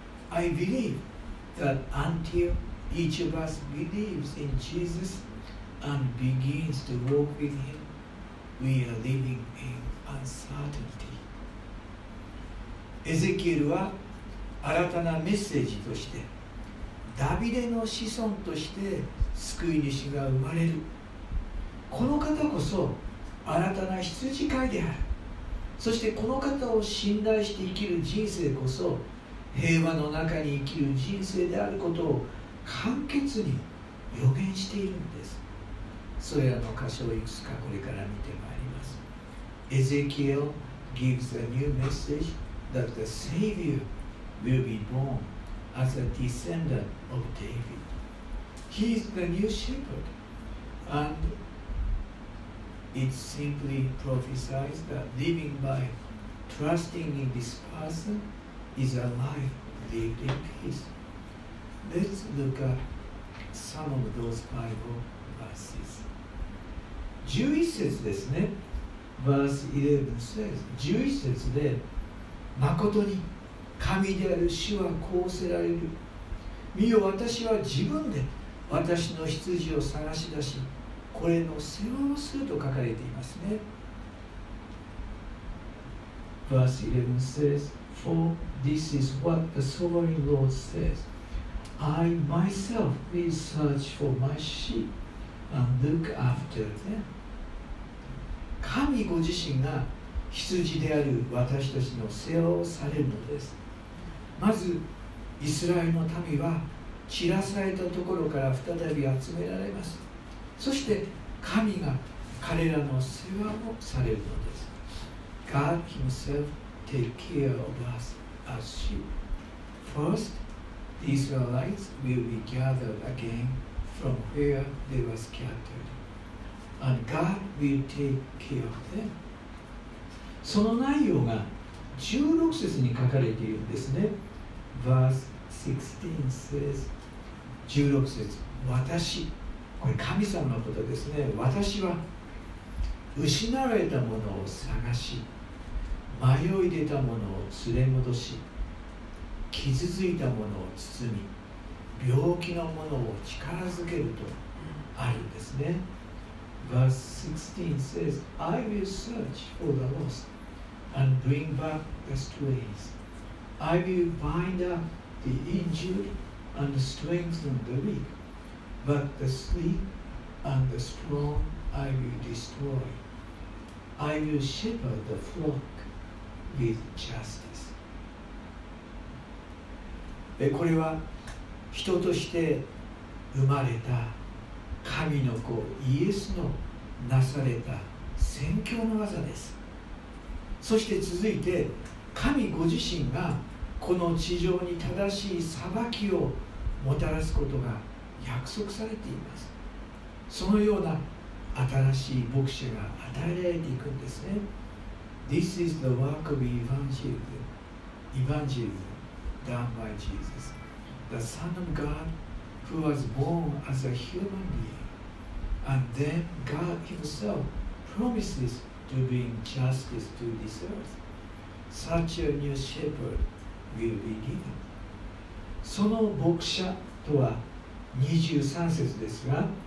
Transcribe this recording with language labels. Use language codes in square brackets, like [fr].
[en] I believe that until each of us believes in Jesus and begins to walk with him, we are living in uncertainty. [ja] エゼキエルは新たなメッセージとしてダビデの子孫として救い主が生まれる、この方こそ新たな羊飼いである、そしてこの方を信頼して生きる人生こそ平和の中に生きる人生であることを簡潔に予言しているんです。それらの箇所をいくつかこれから見てまいります。 [en] Ezekiel gives a new message that the Savior will be born as a descendant of David. He is the new shepherd andIt simply prophesies that living by trusting in this person is a life lived in peace. Let's look at some of those Bible verses. [ja] 11節ですね。 [en] Verse 11 says, [ja] 11節で、誠に神である主はこうせられる。見よ、私は自分で私の羊を探し出し、これの世話をすると書かれていますね。 [en] Verse 11 says, For this is what the Sovereign Lord says, I myself will search for my sheep and look after them. [ja] 神ご自身が羊である私たちの世話をされるのです。まずイスラエルの民は散らされたところから再び集められます。そして神が彼らの世話をされるのです。 [en] God himself take care of us as sheep. First, the Israelites will be gathered again from where they were scattered, and God will take care of them. [ja] その内容が16節に書かれているんですね。 [en] Verse 16 says, [ja] 16節、私、これ神様のことですね。私は失われたものを探し、迷い出たものを連れ戻し、傷ついたものを包み、病気のものを力づけるとあるんですね。 [en] Verse 16 says, I will search for the lost and bring back the strays. I will bind up the injured and strengthen the weak, but the sweet and the strong I will destroy. I will shepherd the flock with justice. [ja] これは人として生まれた神の子イエスのなされた宣教の技です。そして続いて神ご自身がこの地上に正しい裁きをもたらすことが約束されています。そのような新しい牧者が与えられていくんですね。 [en] This is the work of evangelism. Done by Jesus, the Son of God, who was born as a human being, and then God Himself promises to bring justice to this earth. Such a new shepherd will be given. [ja] その牧者とは23節ですが、